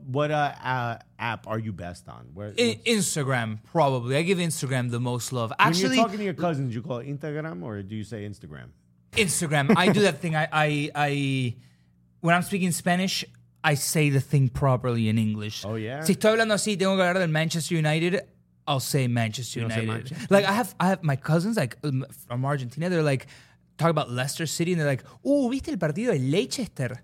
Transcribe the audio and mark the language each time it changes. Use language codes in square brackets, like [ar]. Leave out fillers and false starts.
[en] What app are you best on? Instagram, probably. I give Instagram the most love. Actually, when you're talking to your cousins, you call it Instagram or do you say Instagram? Instagram. I do that thing. I when I'm speaking Spanish, I say the thing properly in English. Oh, yeah? [es] Si estoy hablando así, tengo que hablar del Manchester United, [en] I'll say Manchester United. Say Manchester. Like, I have my cousins like from Argentina, they're like, talk about Leicester City, and they're like, [es] "Oh, viste el partido de Leicester?